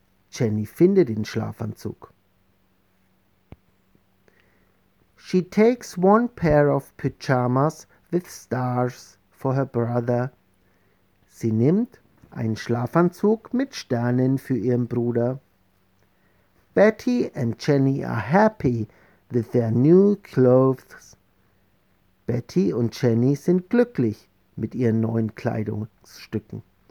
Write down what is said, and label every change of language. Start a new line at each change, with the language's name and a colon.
German: Jenny findet den Schlafanzug.
English: She takes one pair of pyjamas with stars for her brother.
German: Sie nimmt einen Schlafanzug mit Sternen für ihren Bruder.
English: Betty and Jenny are happy with their new clothes.
German: Betty und Jenny sind glücklich mit ihren neuen Kleidungsstücken.